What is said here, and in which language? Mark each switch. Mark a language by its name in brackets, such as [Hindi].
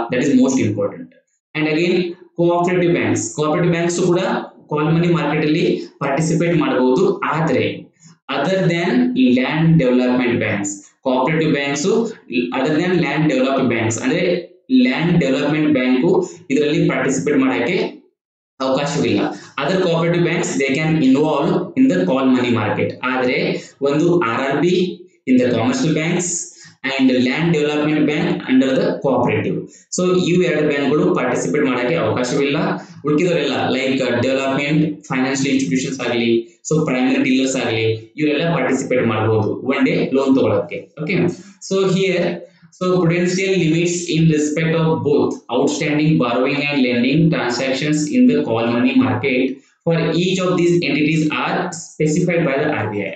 [English] That is most important. And again cooperative banks, cooperative banks ಕೂಡ call money market [Kannada] ಅಲ್ಲಿ participate ಮಾಡಬಹುದು, ಆದ್ರೆ [English] Other than land development banks. [Kannada] Cooperative banks [English] other than [Kannada] land develop banks, ಅಂದ್ರೆ land development bank ಇದರಲ್ಲಿ participate ಮಾಡಕ್ಕೆ ಅವಕಾಶವಿಲ್ಲ. [English] Other cooperative banks they can involve in the call money market. [Kannada] ಆದ್ರೆ ಒಂದು [English] R R B, in the commercial banks and land development bank under the cooperative. [Kannada] So ಈ ಎರಡು ಬ್ಯಾಂಕ್ಗಳು participate ಮಾಡೋಕೆ ಅವಕಾಶವಿಲ್ಲ, ಉಳ್ಕಿದವರೆಲ್ಲ ಲೈಕ್ ಡೆವಲಪ್ಮೆಂಟ್ ಫೈನಾನ್ಷಿಯಲ್ ಇನ್ಸ್ಟಿಟ್ಯೂಷನ್ಸ್ ಆಗಲಿ, so primary dealers ಆಗಲಿ, ಇವರೆಲ್ಲ ಪಾರ್ಟಿಸಿಪೇಟ್ ಮಾಡಬಹುದು ಒನ್ ಡೇ ಲೋನ್ ತಗೊಳಕ್ಕೆ. [English] Okay, so here so prudential limits in respect of both outstanding borrowing and lending transactions in the call money market for each of these entities are specified by the R B I.